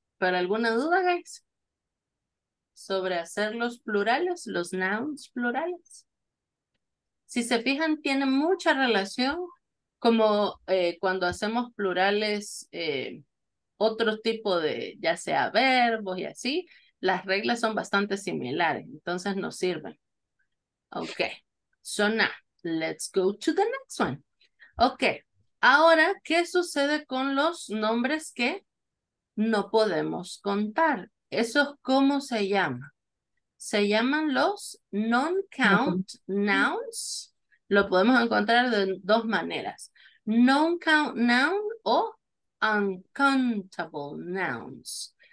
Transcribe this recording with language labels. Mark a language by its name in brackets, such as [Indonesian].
[Spanish] ¿Pero alguna duda, [English] guys? [Spanish] ¿Sobre hacer los plurales, los nouns plurales? Si se fijan, tiene mucha relación como cuando hacemos plurales otro tipo de, ya sea verbos y así, las reglas son bastante similares, entonces nos sirven. [English] Okay, so now, let's go to the next one. Okay. [Spanish] Ahora, ¿qué sucede con los nombres que no podemos contar? ¿Esos cómo se llaman? Se llaman los non-count nouns. Lo podemos encontrar de dos maneras. Non-count noun o uncountable nouns.